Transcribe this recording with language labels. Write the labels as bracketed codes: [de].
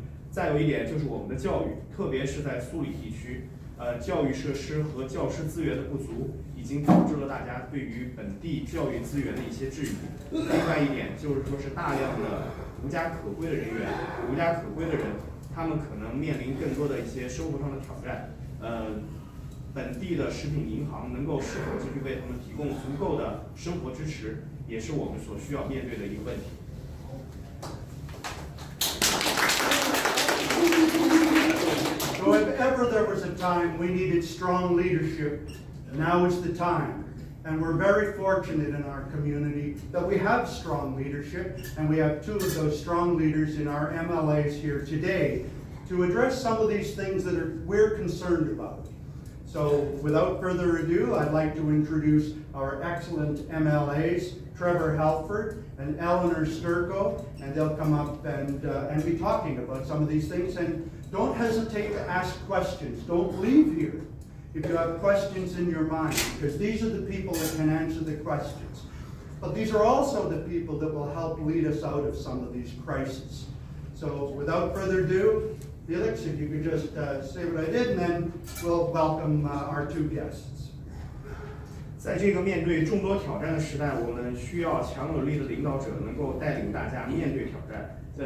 [zh] 再有一点就是我们的教育，特别是在苏里地区，教育设施和教师资源的不足已经导致了大家对于本地教育资源的一些质疑。另外一点就是说是大量的 无家可归的人员，无家可归的人，他们可能面临更多的一些生活上的挑战。本地的食品银行能够是否继续为他们提供足够的生活支持，也是我们所需要面对的一个问题。So [en] if ever there was a time we needed strong leadership, now is the time. And we're very fortunate in our community that we have strong leadership, and we have two of those strong leaders in our MLAs here today to address some of these things that we're concerned about. So So without further ado, I'd like to introduce our excellent MLAs, Trevor Halford and Elenore Sturko, and they'll come up and be talking about some of these things. And don't hesitate to ask questions. Don't leave here if you have questions in your mind, because these are the people that can answer the questions. But these are also the people that will help lead us out of some of these crises. So without further ado, Felix, if you could just say what I did, and then we'll welcome our two guests. [zh] 在这个面对众多挑战的时代，我们需要强有力的领导者能够带领大家面对挑战。